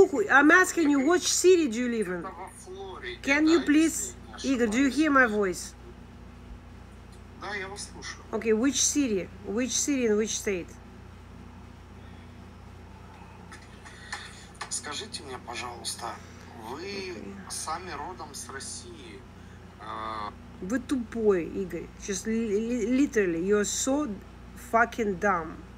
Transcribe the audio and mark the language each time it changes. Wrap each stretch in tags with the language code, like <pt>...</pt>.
<en>I'm asking you, which city do you live in? Can you please, Igor? Do you hear my voice? Okay, which city? Which city in which state?</en> <ru>Скажите мне, пожалуйста, вы сами родом с России? Вы тупой, Игорь.</ru> <en>Just literally, you're so fucking dumb.</en>